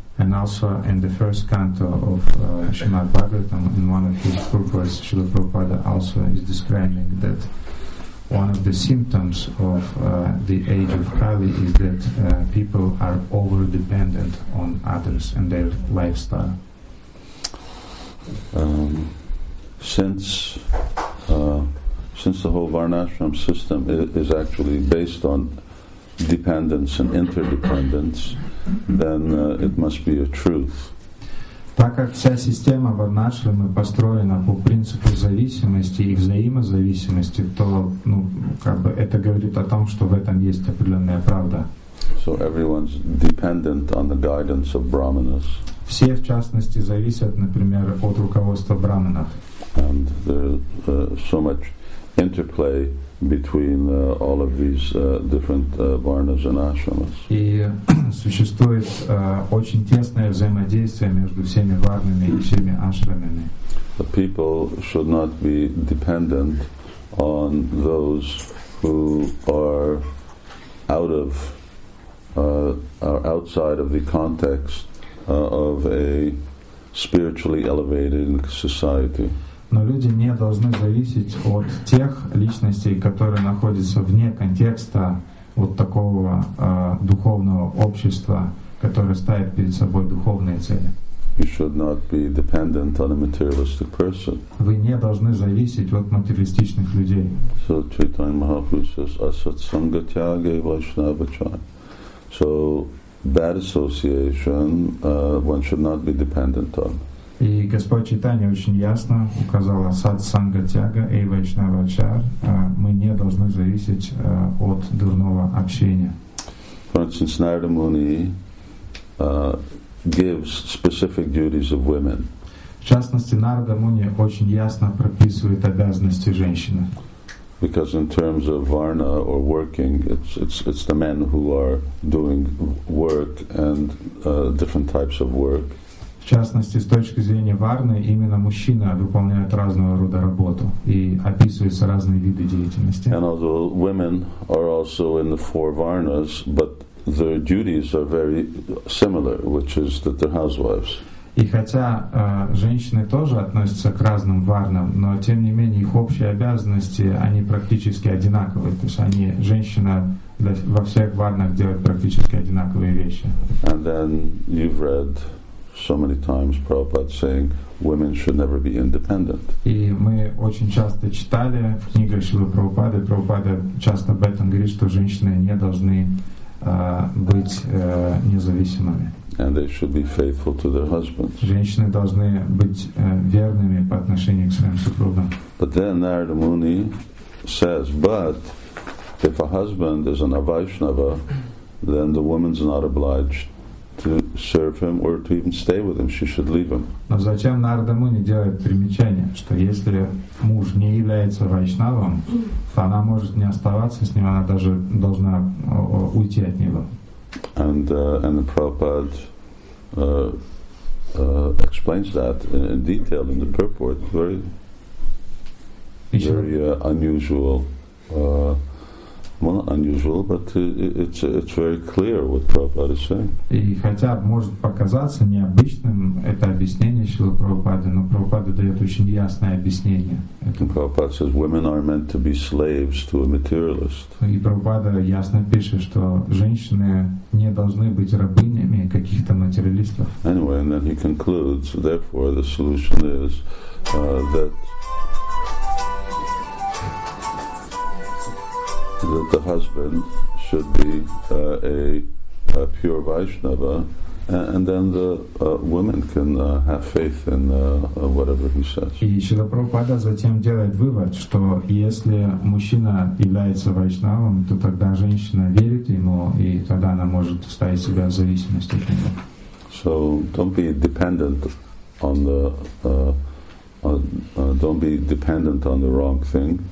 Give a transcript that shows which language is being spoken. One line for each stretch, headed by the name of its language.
English: And also in the first canto of Shrimad Bhagavatam, in one of his purports, Srila Prabhupada also is describing that one of the symptoms of the age of Kali is that people are over dependent on others and their lifestyle. Since the whole Varnashram system is actually based on dependence and interdependence, then it must be a truth.
Russian: Так как вся система Варнашрама построена по принципу зависимости и взаимозависимости, то, ну, как бы это говорит о том, что в этом есть определенная правда.
English: So everyone's dependent on the guidance of brahmanas.
Russian: Все, в частности, зависят, например, от руководства брахманов.
English: And there's so much interplay between all of these different varnas and ashramas.
Russian: И существует очень тесное взаимодействие между всеми варнами и всеми ашрамами.
English: The people should not be dependent on those who are out of are outside of the context of a spiritually elevated society.
Russian: Но люди не должны зависеть от тех личностей, которые находятся вне контекста вот такого духовного общества, которое ставит перед собой духовные цели.
English: You should not be dependent on a materialistic person.
Russian: Вы не должны зависеть от материалистичных людей.
English: So Chaitanya Mahaprabhu says,
Sanskrit: asat sanga tyage vaishnava chaya.
English: So bad association one should not be dependent on.
Russian: И Господь Чайтанья очень ясно указал
Sanskrit: сад санга тяга и вайшнава чар.
Russian: Мы не должны зависеть от дурного общения.
English: For instance, Narada Muni gives specific duties of women.
Russian: В частности, Нарада Муни очень ясно прописывает обязанности женщины.
English: Because in terms of varna or working, it's the men who are doing work and different types of work.
Russian: В частности, с точки зрения варны, именно мужчина выполняет разного рода работу и описываются разные виды деятельности.
English: And although women are also in the four varnas, but their duties are very similar, which is that they're housewives.
Russian: И хотя женщины тоже относятся к разным варнам, но тем не менее их общие обязанности, они практически одинаковые. То есть они, женщина во всех варнах делает практически одинаковые вещи.
English: And then you've read so many times Prabhupada saying women should never be independent.
Russian: И мы очень часто читали в книгах Шрилы Прабхупады, Прабхупада часто об этом говорит, что женщины не должны быть независимыми.
English: And they should be faithful to their husbands.
Russian: Женщины должны быть верными по отношению к своим супругам.
English: But then Narada Muni says, but if a husband is an Avaishnava, then the woman's not obliged to serve him or to even stay with him, she should leave him.
Russian: Но зачем Нарада Муни делает примечание, что если муж не является вайшнавом, то она может не оставаться с ним, она даже должна уйти от него.
English: And the Prabhupada explains that in detail in the purport, very unusual. Well, unusual, but it's very clear what Prabhupada is saying.
Russian: И хотя может показаться необычным это объяснение Шрилы Прабхупады, но Прабхупада дает очень ясное объяснение.
English: Prabhupada says women are meant to be slaves to a materialist.
Russian: И Прабхупада ясно пишет, что женщины не должны быть рабынями каких-то материалистов.
English: Anyway, and then he concludes. Therefore, the solution is that. That the husband should be a pure Vaishnava, and then the woman can have faith in whatever he says.
Russian: И Шрила Прабхупада затем делает вывод, что если мужчина является вайшнавом, то тогда женщина верит ему, и тогда она может ставить себя в зависимость от него.
English: So don't be dependent on the. Don't be dependent on the wrong thing.